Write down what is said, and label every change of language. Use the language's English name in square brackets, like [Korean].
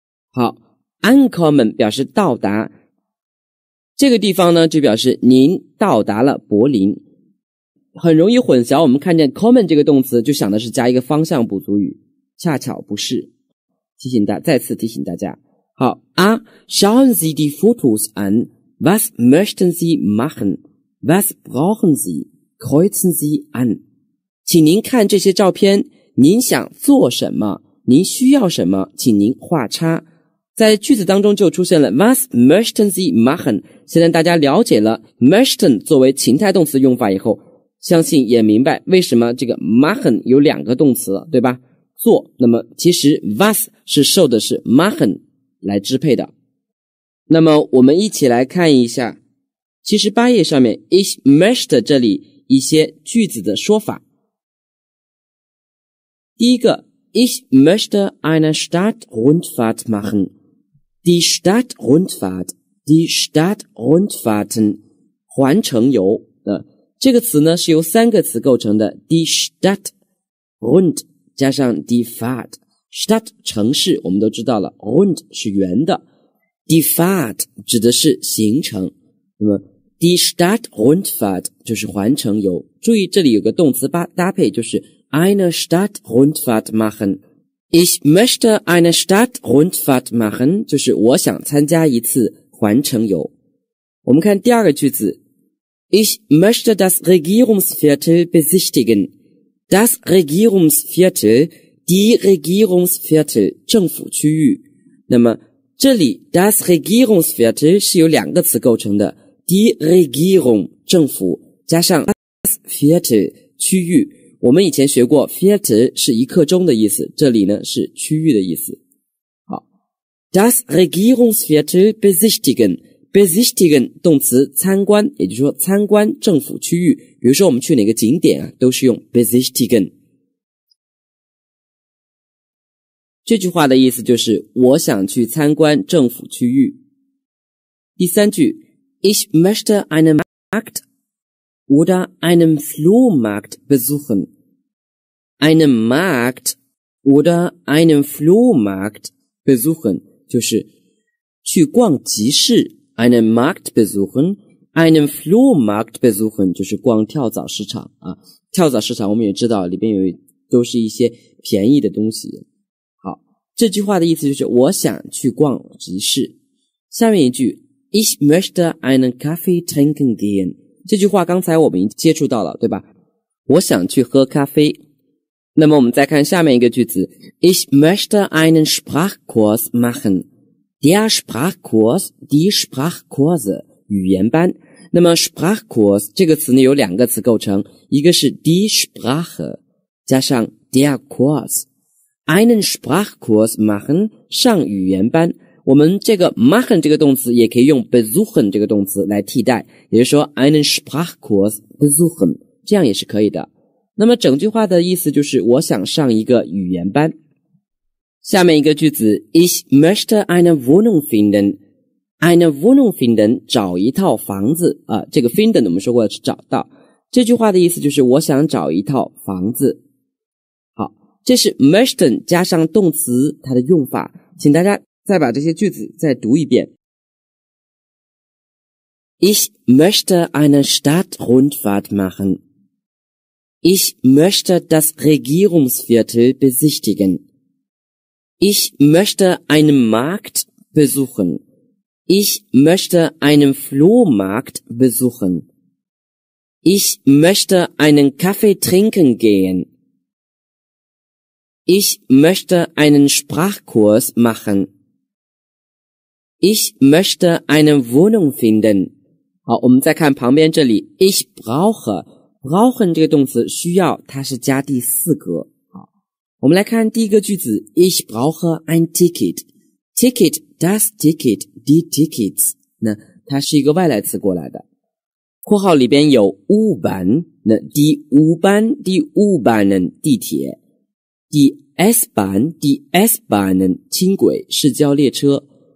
[Chinese] 好， ankommen 表示到达，这个地方呢就表示您到达了柏林，很容易混淆，我们看见 kommen 这个动词就想的是加一个方向补足语，恰巧不是，提醒大家，再次提醒大家。好 [German] 啊， schauen Sie die Fotos an， was möchten Sie machen， was brauchen Sie， kreuzen Sie an， [Chinese] 请您看这些照片，您想做什么，您需要什么，请您画叉。在句子当中就出现了 [German] was möchten Sie machen， [Chinese] 现在大家了解了 möchten 作为情态动词用法以后，相信也明白为什么这个 machen 有两个动词了，对吧？做，那么其实 was 是受的是 machen 来支配的。那么我们一起来看一下78页上面 Ich möchte 这里一些句子的说法。第一个， [German] Ich möchte eine Stadtrundfahrt machen。 Die Stadtrundfahrt, die Stadtrundfahrten, [Chinese] 环城游，这个词呢是由三个词构成的， die Stadt, rund, 加上 die Fahrt， Stadt 城市我们都知道了， Rund 是圆的， die Fahrt 指的是行程，那么 die Stadt Rundfahrt 就是环城游。注意这里有个动词搭配，就是 [German] eine Stadt Rundfahrt machen。 Ich möchte eine Stadt Rundfahrt machen， [Chinese] 就是我想参加一次环城游。我们看第二个句子， [German] Ich möchte das Regierungsviertel besichtigen。 Das Regierungsviertel, die Regierungsviertel, [Chinese] 政府区域。那么这里 das Regierungsviertel 是由两个词构成的， die Regierung, 政府，加上 das Viertel, 区域。我们以前学过 Viertel 是一刻钟的意思，这里呢是区域的意思。好， [German] das Regierungsviertel besichtigen, [Chinese] besichtigen 动词参观，也就是说参观政府区域，比如说我们去哪个景点啊，都是用 besichtigen。这句话的意思就是我想去参观政府区域。第三句， [German] Ich möchte einen Markt oder einen Flohmarkt besuchen。 Einen Markt oder einen Flohmarkt besuchen [Chinese] 就是去逛集市， [German] einen Markt besuchen, einen Flohmarkt besuchen, [Chinese] 就是逛跳蚤市场啊。跳蚤市场我们也知道里边有都是一些便宜的东西。好，这句话的意思就是我想去逛集市。下面一句， [German] Ich möchte einen Kaffee trinken gehen。 [Chinese] 这句话刚才我们已经接触到了，对吧？我想去喝咖啡。那么我们再看下面一个句子， [German] Ich möchte einen Sprachkurs machen。 Der Sprachkurs, die Sprachkurse, [Chinese] 语言班。那么 Sprachkurs 这个词呢有两个词构成，一个是 die Sprache 加上 der Kurs。 [German] Einen Sprachkurs machen, [Chinese] 上语言班。我们这个 machen 这个动词也可以用 besuchen 这个动词来替代，也就是说 [German] einen Sprachkurs besuchen, [Chinese] 这样也是可以的。那么整句话的意思就是我想上一个语言班。下面一个句子， [German] Ich möchte eine Wohnung finden。 Eine Wohnung finden, [Chinese] 找一套房子啊，这个 finden 我们说过是找到，这句话的意思就是我想找一套房子。好，这是 möchten 加上动词它的用法，请大家再把这些句子再读一遍。 [German] Ich möchte eine Stadtrundfahrt machen。 Ich möchte das Regierungsviertel besichtigen。 Ich möchte einen Markt besuchen. Ich möchte einen Flohmarkt besuchen. Ich möchte einen Kaffee trinken gehen. Ich möchte einen Sprachkurs machen. Ich möchte eine Wohnung finden. [Chinese] 好，我们再看旁边这里， Ich brauche. Brauchen 这个动词需要，它是加第四格。我们来看第一个句子， [German] Ich brauche ein Ticket。 [Chinese] Ticket, das Ticket, die Tickets。 那它是一个外来词过来的，括号里边有 U-Bahn， 那 die U-Bahn, die U-Bahnen, 地铁， die S-Bahn, die S-Bahnen, 轻轨，市郊列车。